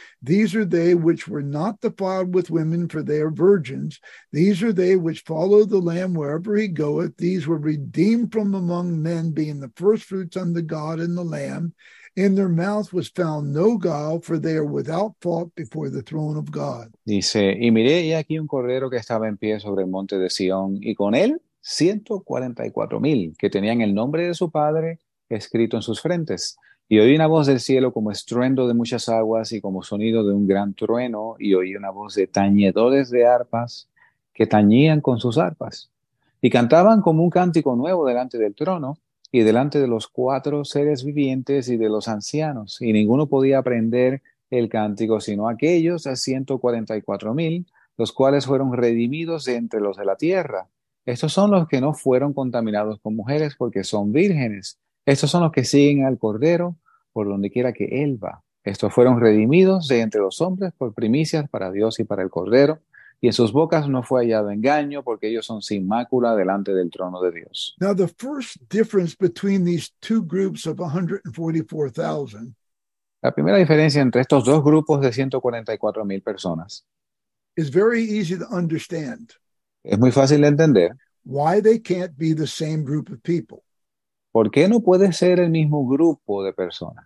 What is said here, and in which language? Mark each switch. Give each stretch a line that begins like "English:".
English: These are they which were not defiled with women, for they are virgins. These are they which follow the Lamb wherever he goeth. These were redeemed from among men, being the first fruits unto God and the Lamb. In their mouth was found no guile, for they are without fault before the throne of God.
Spanish: Dice, y miré, y aquí un cordero que estaba en pie sobre el monte de Sion, y con él 144,000 que tenían el nombre de su padre escrito en sus frentes. Y oí una voz del cielo como estruendo de muchas aguas y como sonido de un gran trueno, y oí una voz de tañedores de arpas que tañían con sus arpas y cantaban como un cántico nuevo delante del trono y delante de los 4 seres vivientes y de los ancianos, y ninguno podía aprender el cántico sino aquellos a 144,000, los cuales fueron redimidos de entre los de la tierra. Estos son los que no fueron contaminados con mujeres, porque son vírgenes. Estos son los que siguen al Cordero por donde quiera que él va. Estos fueron redimidos de entre los hombres por primicias para Dios y para el Cordero, y en sus bocas no fue hallado engaño, porque ellos son sin mácula delante del trono de Dios.
English: Now the first difference between these two groups of 144,000.
Spanish: La primera diferencia entre estos dos grupos de 144,000 personas
English: is very easy to understand.
Spanish: Es muy fácil de entender.
English: Why they can't be the same group of people.
Spanish: ¿Por qué no puede ser el mismo grupo de personas?